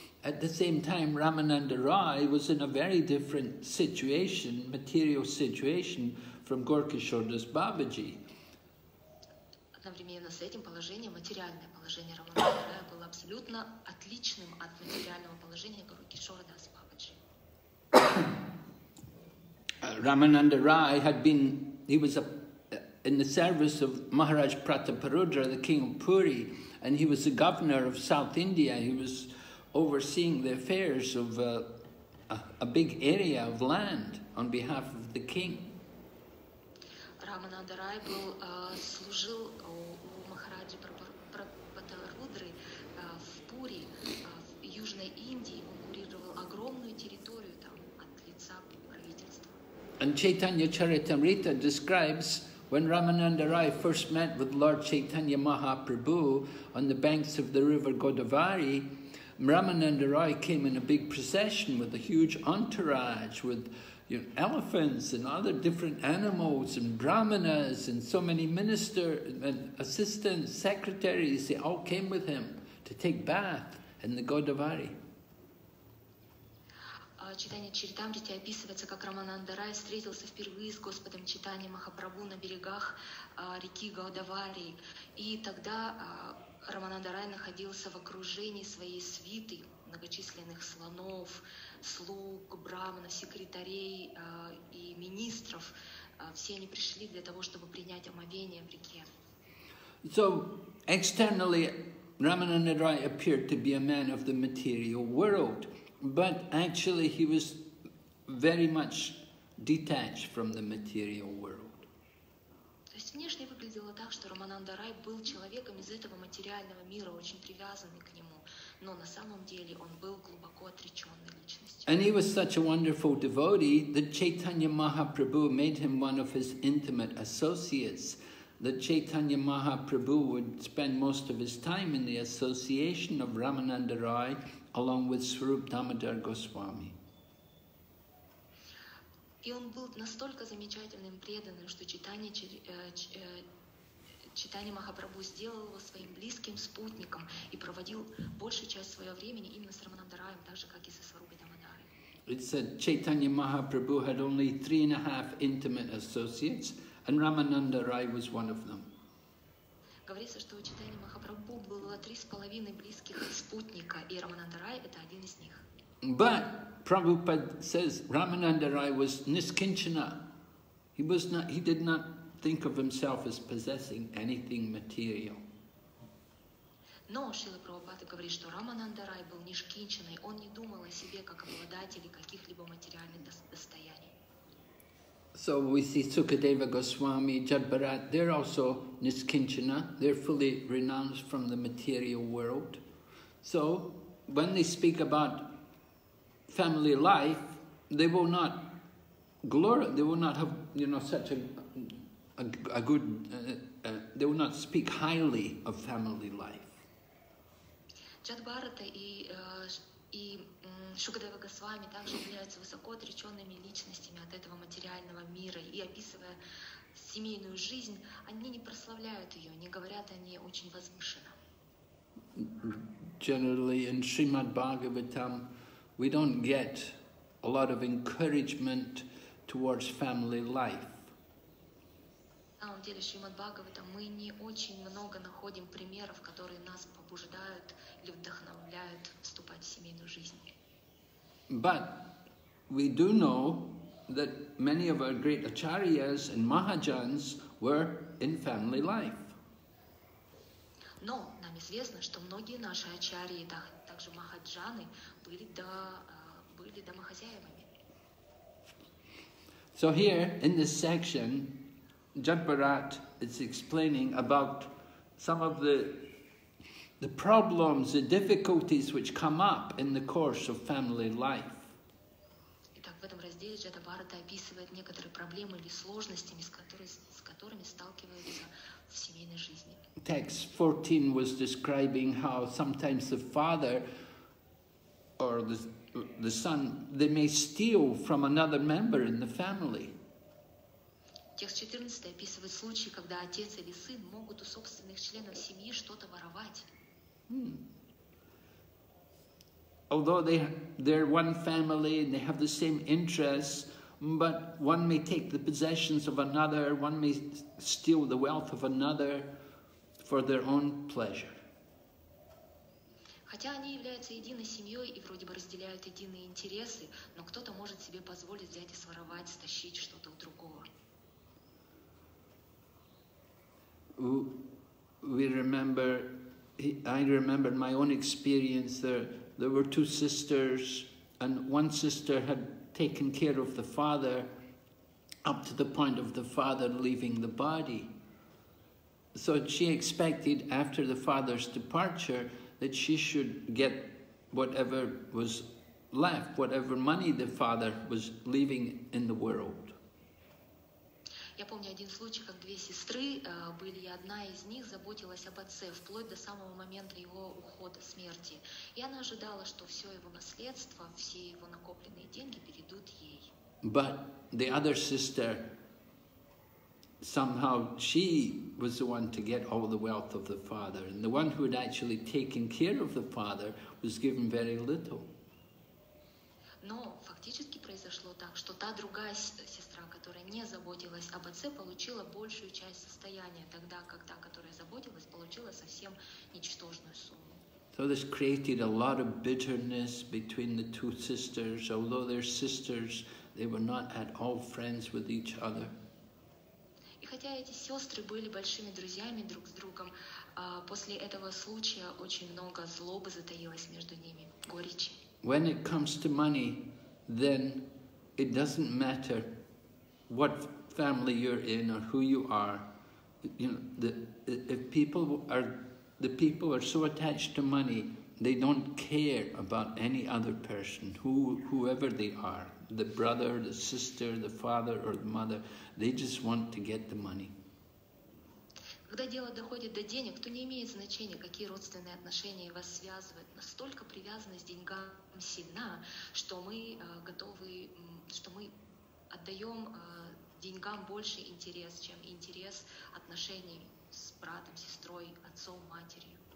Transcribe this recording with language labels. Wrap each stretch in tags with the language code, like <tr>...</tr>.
<en>At the same time, Рамананда Рай was in a very different situation, material situation, from Gaurakishore Das Babaji.</en> <ru>Одновременно с этим положением, материальное положение Рамананда Рая было абсолютно отличным от материального положения Гаурикишоры Дас Бабаджи.</ru> <en>Рамананда Рай had been, he was in the service of Maharaj Prataparudra, the king of Puri, and he was the governor of South India. He was overseeing the affairs of a big area of land on behalf of the king.</en> <ru>Рамананда Рай был служил у Махараджи Прапатарудры в Пури, в Южной Индии. Он курировал огромную территорию там от лица правительства.</ru> <en>And Chaitanya Charitamrita describes when Рамананда Рай first met with Lord Chaitanya Mahaprabhu on the banks of the river Godavari. Рамананда Рай came in a big procession with a huge entourage with, you know, elephants and other different animals and brahmanas and so many ministers and assistants, secretaries, they all came with him to take bath in the Godavari.</en> <ru>Читание Чаритамриты описывается, как Рамананда Рай встретился впервые с Господом Читанием Махапрабху на берегах реки Годавари. И тогда Рамананда Рай находился в окружении своей свиты, многочисленных слонов, слуг, брахманов, секретарей и министров, все они пришли для того, чтобы принять омовение в реке.</ru> <en>So externally, Ramana Narayana appeared to be a man of the material world, but actually he was very much detached from the material world.</en> <ru>То есть внешне выглядело так, что Рамананда Рай был человеком из этого материального мира, очень привязанный к нему, но на самом деле он был глубоко отреченной личностью.</ru> <en>And he was such a wonderful devotee that Chaitanya Mahaprabhu made him one of his intimate associates. That Chaitanya Mahaprabhu would spend most of his time in the association of Ramananda Rai along with Swarup Damodar Goswami.</en> <ru>И он был настолько замечательным преданным, что Чайтанья Махапрабху сделал его своим близким спутником и проводил большую часть своего времени именно с Рамананда Раем, так же как и со Сварупой Дамодарой.</ru> <en>It said Chaitanya Mahaprabhu had only 3.5 intimate associates, and Ramananda Rai was one of them.</en> <ru>Говорится, что у Чайтанья Махапрабху было 3.5 близких спутника, и Рамананда Рай это один из них.</ru> <en>But Prabhupada says Ramananda Rai was niskinchana. He did not think of himself as possessing anything material.</en> <ru>Но Шрила Прабхупада говорит, что Рамананда Рай был нишкинчаной, он не думал о себе как обладателе каких-либо материальных достояний.</ru> <en>So we see Sukadeva Goswami, Jadbharat, they're also niskinchana, they're fully renounced from the material world. So when they speak about family life, they will not they will not speak highly of family life.</en> <ru>Jadbharata и Шукадева Госвами также являются высоко отреченными личностями от этого материального мира, и описывая семейную жизнь, они не прославляют ее, не говорят о ней очень возвышенно.</ru> <en>Generally in Srimad Bhagavatam we don't get a lot of encouragement towards family life.</en> <ru>На самом деле, в Шримад Бхагаватам мы не очень много находим примеров, которые нас побуждают или вдохновляют вступать в семейную жизнь.</ru> <en>But we do know that many of our great acharyas and mahajans were in family life.</en> <ru>Но нам известно, что многие наши ачарьи, также махаджаны, были домохозяевами.</ru> <en>So here in this section, Jadbharat is explaining about some of the problems, the difficulties which come up in the course of family life.</en> <ru>Итак, в этом разделе Джадабарата описывает некоторые проблемы или сложности, с которыми сталкиваются в семейной жизни.</ru> <en>Text 14 was describing how sometimes the father or the son, they may steal from another member in the family.</en> <ru>Текст 14 описывает случаи, когда отец или сын могут у собственных членов семьи что-то воровать.</ru> <en>Although they're one family and they have the same interests, but one may take the possessions of another, one may steal the wealth of another for their own pleasure.</en> <ru>Хотя они являются единой семьей и вроде бы разделяют единые интересы, но кто-то может себе позволить взять и своровать, стащить что-то у другого.</ru> <en>I remember my own experience. There were two sisters, and one sister had taken care of the father up to the point of the father leaving the body. So she expected after the father's departure that she should get whatever was left, whatever money the father was leaving in the world.</en> <ru>Я помню один случай, как две сестры были, и одна из них заботилась об отце вплоть до самого момента его ухода, смерти. И она ожидала, что все его наследство, все его накопленные деньги перейдут ей.</ru> <en>But the other sister, somehow she was the one to get all the wealth of the father, and the one who had actually taken care of the father was given very little.</en> <ru>Но фактически произошло так, что та другая сестра, которая не заботилась об отце, получила большую часть состояния, тогда как та, которая заботилась, получила совсем ничтожную сумму.</ru> <en>So this created a lot of bitterness between the two sisters, although they're sisters, they were not at all friends with each other.</en> <ru>хотя эти сестры были большими друзьями друг с другом, после этого случая очень много злобы затаилось между ними, горечи.</ru> <en>When it comes to money, then it doesn't matter what family you're in or who you are. You know, the people are so attached to money, they don't care about any other person, whoever they are, the brother, the sister, the father or the mother, they just want to get the money.</en> <ru>Когда дело доходит до денег, то не имеет значения, какие родственные отношения вас связывают. Настолько привязанность к деньгам сильна, что мы готовы, что мы отдаем деньгам больше интерес, чем интерес отношений с братом, сестрой, отцом, матерью.</ru>